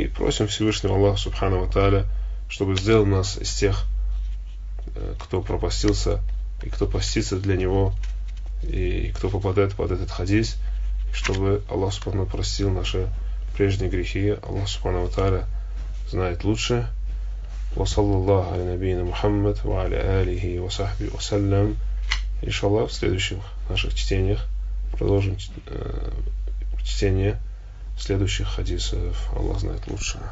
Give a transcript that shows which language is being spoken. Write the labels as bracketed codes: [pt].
[ru] И просим Всевышнего Аллаха Субхану ва Тааля, чтобы сделал нас из тех, кто пропастился и кто постится для него, и кто попадает под этот хадис, чтобы Аллах Субхану простил наши прежние грехи. Аллах Субхану ва Тааля знает лучше. [ar] وصلى الله على نبينا محمد وعلى آله وصحبه وسلم. إن شاء الله في [ru] следующих наших чтениях продолжим чтение следующих хадисов. Аллах знает лучше.